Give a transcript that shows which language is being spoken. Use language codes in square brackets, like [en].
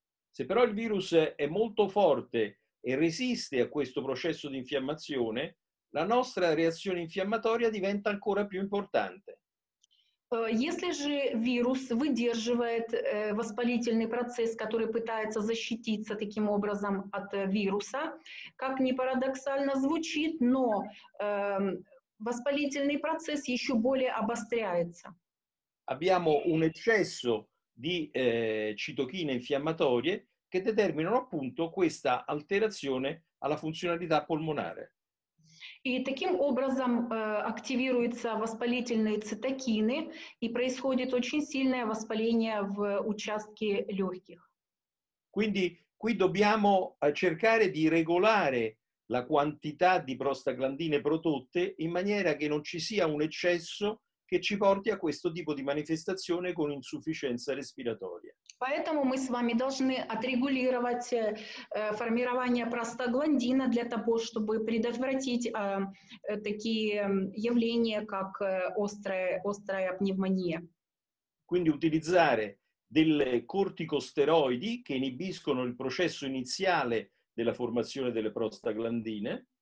[it] Se però il virus è molto forte e resiste a questo processo di infiammazione, la nostra reazione infiammatoria diventa ancora più importante. [ru] Если же вирус выдерживает воспалительный процесс, который пытается защититься таким образом от вируса, как ни парадоксально звучит, но воспалительный процесс еще более обостряется. [it] Abbiamo un eccesso di citochine infiammatorie che determinano appunto questa alterazione alla funzionalità polmonare. [ru] И таким образом активируются воспалительные цитокины и происходит очень сильное воспаление в участке легких. [it] Quindi qui dobbiamo cercare di regolare la quantità di prostaglandine prodotte in maniera che non ci sia un eccesso che ci porti a questo tipo di manifestazione con insufficienza respiratoria. [ru] Поэтому мы с вами должны отрегулировать формирование простагландина для того, чтобы предотвратить такие явления, как острая пневмония. [it] Quindi utilizzare delle corticosteroidi che inibiscono il processo iniziale della formazione delle prostaglandine.